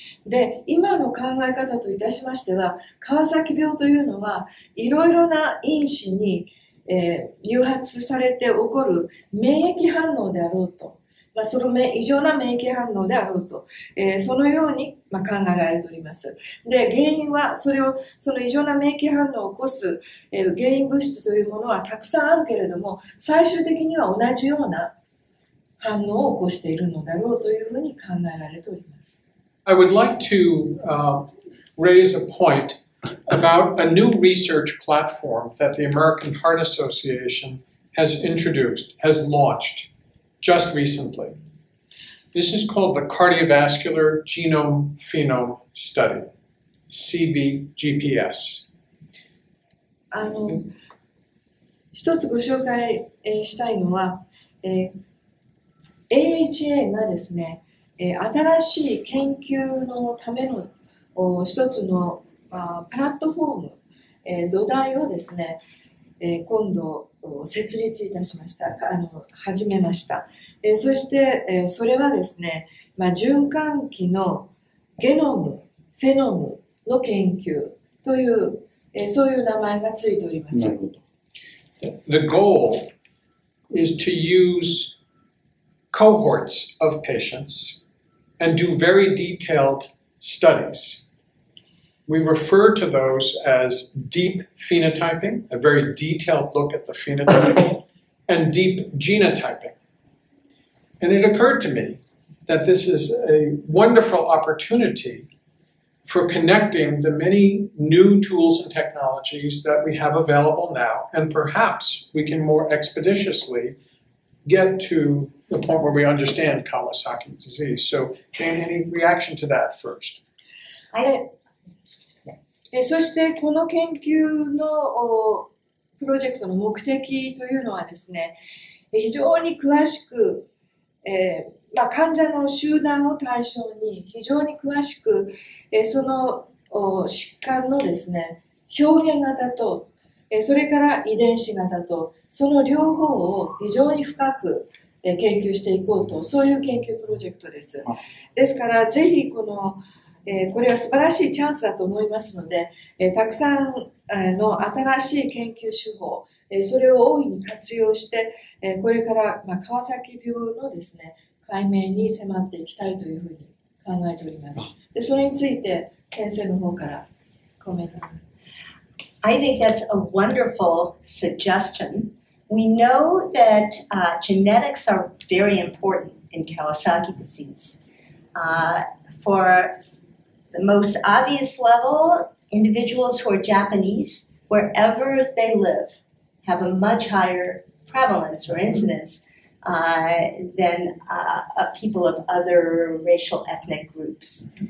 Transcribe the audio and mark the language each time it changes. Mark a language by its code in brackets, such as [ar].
[ja] で、今の考え方といたしましては、川崎病というのは、いろいろな因子に、誘発されて起こる免疫反応であろうと、まあ、その異常な免疫反応であろうと、そのように、まあ、考えられております。で、原因は、それを、その異常な免疫反応を起こす、原因物質というものはたくさんあるけれども、最終的には同じような反応を起こしているのだろうというふうに考えられております。 [en] I would like to, raise a point about a new research platform that the American Heart Association has introduced, has launched. Just recently. This is called the Cardiovascular Genome Phenome Study, CVGPS. [ja] 一つご紹介、したいのは、AHA がですね、新しい研究のための一つの、プラットフォーム、土台をですね、今度設立いたしました、始めました。そして、それはですね、まあ、循環器のゲノム、フェノムの研究という、そういう名前がついております。 [en] The goal is to use cohorts of patients and do very detailed studies. We refer to those as deep phenotyping, a very detailed look at the phenotype, and deep genotyping. And it occurred to me that this is a wonderful opportunity for connecting the many new tools and technologies that we have available now, and perhaps we can more expeditiously get to the point where we understand Kawasaki disease. So, Jane, any reaction to that first? [ja] そしてこの研究のプロジェクトの目的というのはですね、非常に詳しく、まあ、患者の集団を対象に非常に詳しく、その疾患のですね、表現型と、それから遺伝子型と、その両方を非常に深く研究していこうと、そういう研究プロジェクトです。ですからぜひこのこれは素晴らしいチャンスだと思いますので、たくさんの新しい研究手法、それを大いに活用して、これから、まあ、川崎病のですね、解明に迫っていきたいというふうに考えております。で、それについて先生の方からコメント。 [en] I think that's a wonderful suggestion. We know that, genetics are very important in Kawasaki disease. The most obvious level, individuals who are Japanese, wherever they live, have a much higher prevalence or incidence than people of other racial ethnic groups.